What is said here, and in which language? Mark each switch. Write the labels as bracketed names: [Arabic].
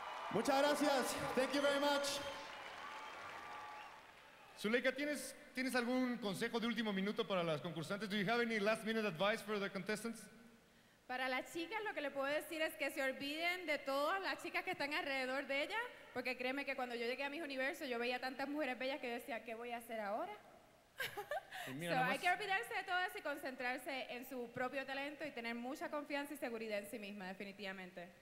[Spanish] Muchas gracias. [English] Thank you very much. [Spanish] Zuleika, ¿tienes algún consejo de último minuto para las concursantes? [English] Do you have any last minute advice for the contestants? [Spanish] Para las chicas, lo que le puedo decir es que se olviden de todas las chicas que están alrededor de ella, porque créeme que cuando yo llegué a mis universos, yo veía tantas mujeres bellas que yo decía, ¿qué voy a hacer ahora? Mira, hay que olvidarse de todo eso y concentrarse en su propio talento y tener mucha confianza y seguridad en sí misma, definitivamente.